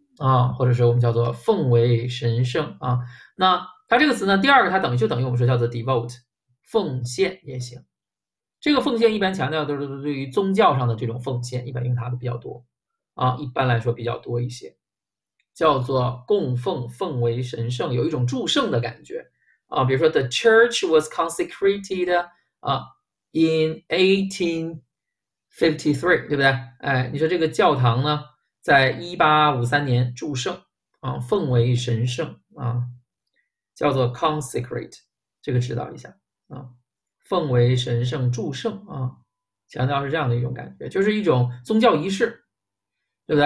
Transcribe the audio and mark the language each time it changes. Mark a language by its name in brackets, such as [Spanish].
[Chinese] 啊，或者是我们叫做奉为神圣啊，那它这个词呢，第二个它等于我们说叫做 devote，奉献也行。这个奉献一般强调都是对于宗教上的这种奉献，一般用它的比较多啊，一般来说比较多一些，叫做供奉，奉为神圣，有一种祝圣的感觉啊。比如说 [English] the church was consecrated 啊 in 1853， [Chinese] 对不对？哎，你说这个教堂呢？在1853年祝圣啊，奉为神圣啊，叫做 consecrate，这个知道一下啊，奉为神圣祝圣啊，强调是这样的一种感觉，就是一种宗教仪式，对不对？